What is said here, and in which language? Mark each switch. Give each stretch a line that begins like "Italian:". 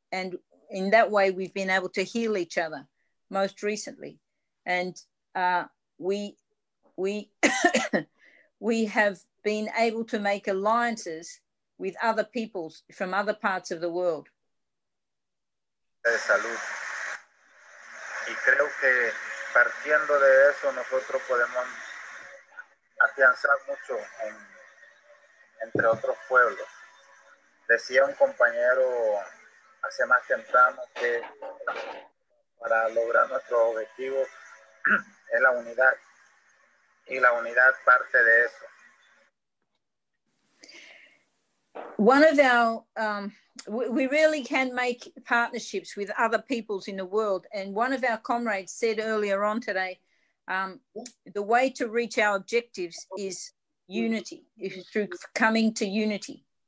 English: And in that way, we've been able to heal each other most recently. And we have been able to make alliances with other peoples from other parts of the world.
Spanish: Salud. Y creo que partiendo de eso nosotros podemos afianzar mucho entre otros pueblos. Decía un compañero hace más temprano que para lograr nuestro objetivo es la unidad, y la unidad parte de eso.
English: One of our, we really can make partnerships with other peoples in the world. And one of our comrades said earlier on today, the way to reach our objectives is unity, is through coming to unity.